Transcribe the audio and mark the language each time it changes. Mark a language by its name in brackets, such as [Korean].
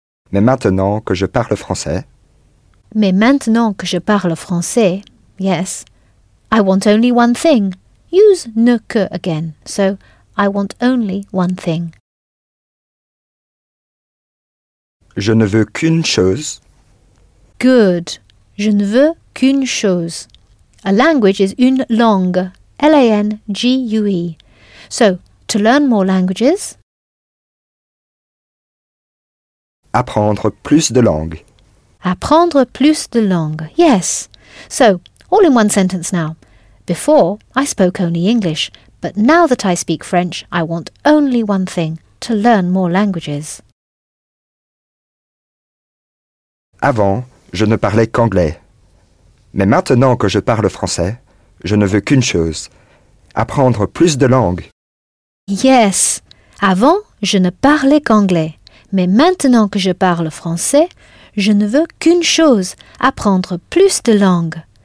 [French] Mais maintenant que je parle français... Mais maintenant que je parle français, [English] yes, I want only one thing. Use ne que again. So, I want only one thing. [French] Je ne veux qu'une chose. [English] Good. [French] Je ne veux qu'une chose. [English] A language is [French] une langue. [English] L-A-N-G-U-E. So, to learn more languages... [French] Apprendre plus de langues. Apprendre plus de langues, [English] yes. So, all in one sentence now. Before, I spoke only English, but now that I speak French, I want only one thing, to learn more languages. [French] Avant, je ne parlais qu'anglais. Mais maintenant que je parle français, je ne veux qu'une chose, apprendre plus de langues. [English] Yes. [French] Avant, je ne parlais qu'anglais. Mais maintenant que je parle français, je ne veux qu'une chose, apprendre plus de langues.